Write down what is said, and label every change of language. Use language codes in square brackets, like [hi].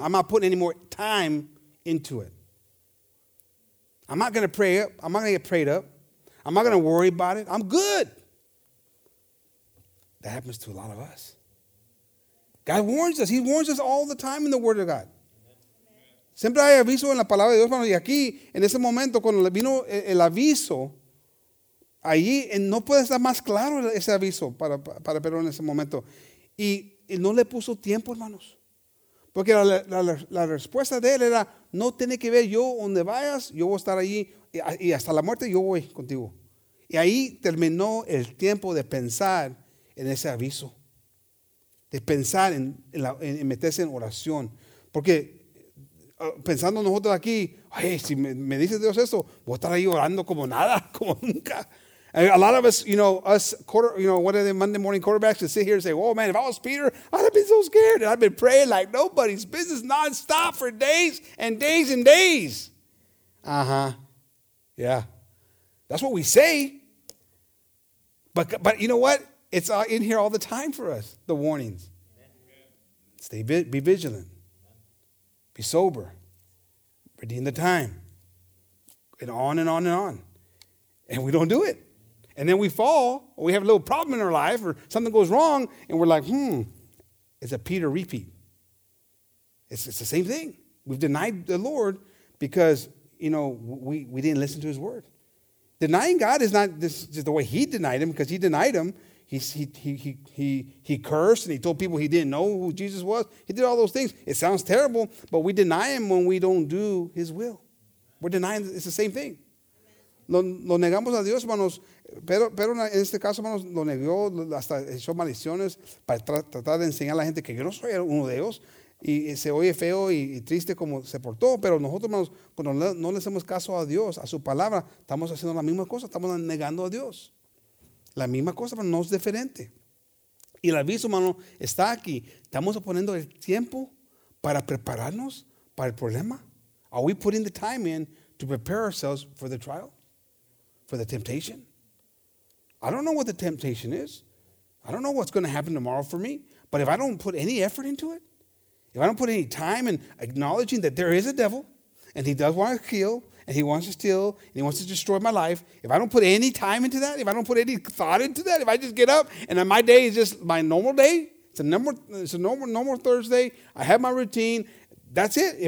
[en] I'm not putting any more time into it. I'm not going to pray up. I'm not going to get prayed up. I'm not going to worry about it. I'm good. That happens to a lot of us. God warns us. He warns us all the time in the Word of God. [es] Siempre hay aviso en la palabra de Dios, hermano. Y aquí, en ese momento, cuando vino el aviso, allí no puede estar más claro ese aviso para Pedro en ese momento. Y no le puso tiempo, hermanos. Porque la respuesta de él era, no tiene que ver yo donde vayas, yo voy a estar allí y hasta la muerte yo voy contigo. Y ahí terminó el tiempo de pensar en ese aviso, de pensar en meterse en oración. Porque pensando nosotros aquí, ay, si me dice Dios esto, voy a estar ahí orando como nada, como nunca. [en] And a lot of us, you know, one of the Monday morning quarterbacks would sit here and say, oh man, if I was Peter, I'd have been so scared. And I've been praying like nobody's business nonstop for days and days and days. Uh-huh. Yeah. That's what we say. But you know what? It's in here all the time for us, the warnings. Stay be vigilant. Be sober. Redeem the time. And on and on and on. And we don't do it. And then we fall, or we have a little problem in our life, or something goes wrong, and we're like, it's a Peter repeat. It's the same thing. We've denied the Lord because, you know, we didn't listen to his word. Denying God is not just the way he denied him, because he denied him. He cursed, and he told people he didn't know who Jesus was. He did all those things. It sounds terrible, but we deny him when we don't do his will. We're denying, it's the same thing. [es] Lo negamos a Dios, hermanos. Pero en este caso, hermanos, lo negó, hasta echó maldiciones para tratar de enseñar a la gente que yo no soy uno de ellos. Y se oye feo y triste como se portó. Pero nosotros, hermanos, cuando no le hacemos caso a Dios, a su palabra, estamos haciendo la misma cosa, estamos negando a Dios. La misma cosa, pero no es diferente. Y el aviso, hermano, está aquí. ¿Estamos poniendo el tiempo para prepararnos para el problema? [en] Are we putting the time in to prepare ourselves for the trial? For the temptation? I don't know what the temptation is. I don't know what's going to happen tomorrow for me. But if I don't put any effort into it, if I don't put any time in acknowledging that there is a devil, and he does want to kill, and he wants to steal, and he wants to destroy my life, if I don't put any time into that, if I don't put any thought into that, if I just get up and my day is just my normal day, it's a normal Thursday, I have my routine, that's it.